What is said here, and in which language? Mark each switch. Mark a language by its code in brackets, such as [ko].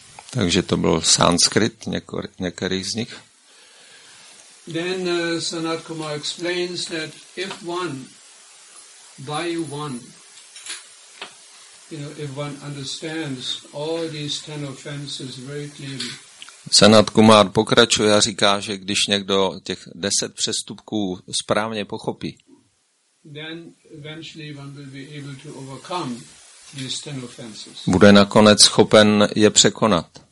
[cs] Takže to byl sanskrit některých z nich. [en] Then Sanat Kumar explains that if one by one, you know, if one understands all these 10 offenses very clearly. [cs] Sanat Kumar pokračuje a říká, že když někdo těch 10 přestupků správně pochopí, [en] then eventually one will be able to overcome these 10 offenses. [cs] Bude nakonec schopen je překonat.